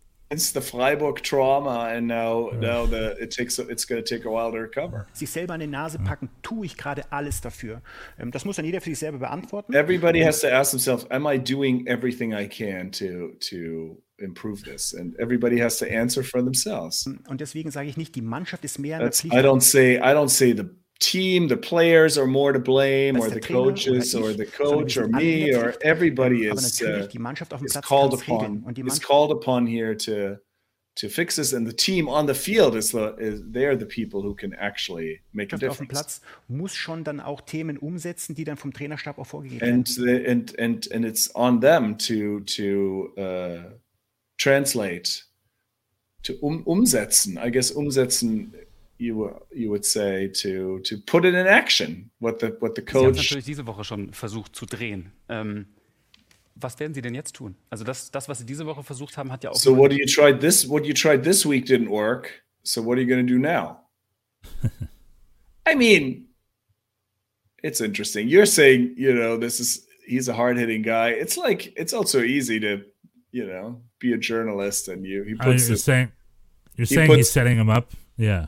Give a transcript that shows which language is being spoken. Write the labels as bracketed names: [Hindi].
[English] It's the Freiburg trauma, and now the it's going to take a while to recover. [German] Sich selber an die Nase packen, tue ich gerade alles dafür. Das muss dann jeder für sich selber beantworten. [English] Everybody has to ask themselves, am I doing everything I can to improve this? And everybody has to answer for themselves. [German] Und deswegen sage ich nicht, die Mannschaft ist mehr. [English] I don't say the team, the players are more to blame, or the coaches, or the coach, or me, or everybody is called upon here to fix this, and the team on the field they are the people who can actually make a difference. [German] Auf dem Platz muss schon dann auch Themen umsetzen, die dann vom Trainerstab auch vorgegeben [English] werden. And it's on them to umsetzen. You would say to put it in action. What the coach. [German] Sie haben natürlich diese Woche schon versucht zu drehen. Was werden Sie denn jetzt tun? Also das was Sie diese Woche versucht haben, hat ja auch. [English] So what you tried this? What you tried this week didn't work. So what are you going to do now? I mean, it's interesting. You're saying, you know, he's a hard hitting guy. It's like it's also easy to, you know, be a journalist and you. He puts you're saying. You're saying he's setting him up. Yeah,